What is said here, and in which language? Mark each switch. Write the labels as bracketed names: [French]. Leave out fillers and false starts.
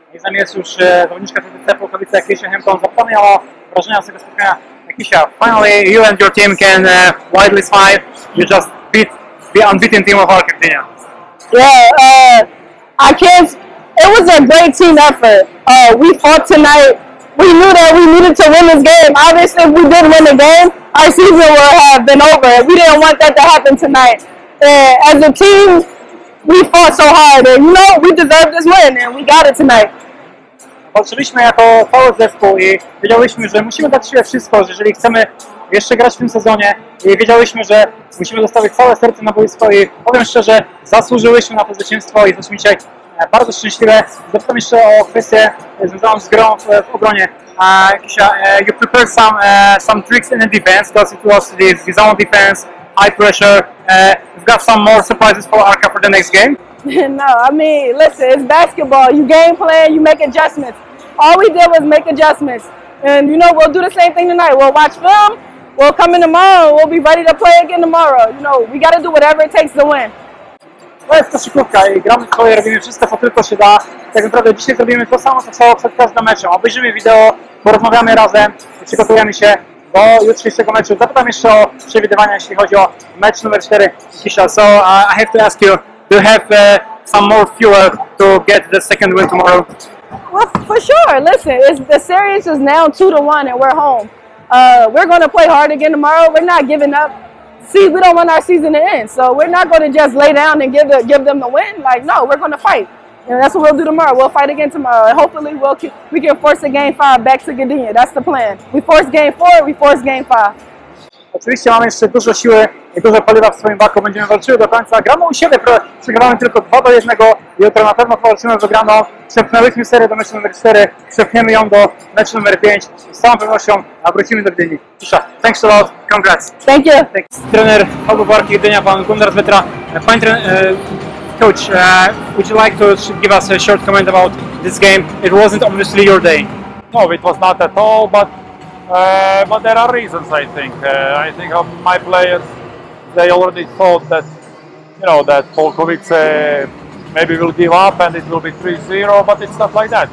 [Polish] Nie jest już zawodniczka CTC po Polkowice Keisha Hampton. Zapomniała wrażenia z tego spotkania. [English] Keisha, finally you and your team can widely smile. You just beat the unbeaten team of Argentina. Yeah, I can't. It was a great team effort. We fought tonight. We knew that we needed to win this game. Obviously, if we did win the game, our season would have been over. We didn't want that to happen tonight. And as a team, we fought so hard. And you know, we deserved this win, and we got it tonight. [Polish] Patrzyliśmy jako cały zespół i wiedzieliśmy, że musimy dać sobie wszystko, że jeżeli chcemy jeszcze grać w tym sezonie. I wiedzieliśmy, że musimy zostawić całe serce na boisko. I powiem szczerze, zasłużyłyśmy na to zwycięstwo i jesteśmy dzisiaj bardzo szczęśliwe. Zapytam jeszcze o kwestię związaną z grą w obronie. [English] Keisha, you prepared some tricks in the defense, because it was the zone defense, high pressure. You've got some more surprises for Arca for the next game? No, I mean, listen, it's basketball. You game plan, you make adjustments. All we did was make adjustments. And you know, we'll do the same thing tonight. We'll watch film, we'll come in tomorrow, we'll be ready to play again tomorrow. You know, we gotta do whatever it takes to win. [Polish] To jest koszykówka i gramy w to i robimy wszystko, co tylko się da. Tak naprawdę dzisiaj zrobimy to samo, co przed każdym meczem. Obejrzymy wideo, porozmawiamy razem, przygotujemy się do jutrzejszego meczu. Zapytam jeszcze o przewidywania, jeśli chodzi o mecz numer 4. [English] Keisha, so I have to ask you, do you have some more fuel to get the second win tomorrow? Well, for sure. Listen, the series is now 2-1 and we're home. We're going to play hard again tomorrow. We're not giving up. See, we don't want our season to end, so we're not going to just lay down and give them the win. Like, no, we're going to fight, and that's what we'll do tomorrow. We'll fight again tomorrow, and hopefully we can force a game 5 back to Gdynia. That's the plan. We force game 4, we force game 5. [Polish] Oczywiście mamy jeszcze dużo siły i dużo paliwa w swoim baku. Będziemy walczyli do końca. Gramy u siebie, przegrywamy tylko 2-1. Jutro na pewno walczymy z wygraną. Przepchnęliśmy serię do meczu numer 4. Przepchniemy ją do meczu numer 5. Z całą pewnością wrócimy do Gdyni. Cisza. [English] Thanks a lot. Congrats. Thank you. [Polish] Trener Hałubarki Gdynia, pan Gunnar Zwetra. Panie [English] coach, would you like to give us a short comment about this game? It wasn't obviously your day. No, it was not at all, but there are reasons, I think. I think of my players, they already thought that, you know, that Polkowice maybe will give up and it will be 3-0, but it's not like that.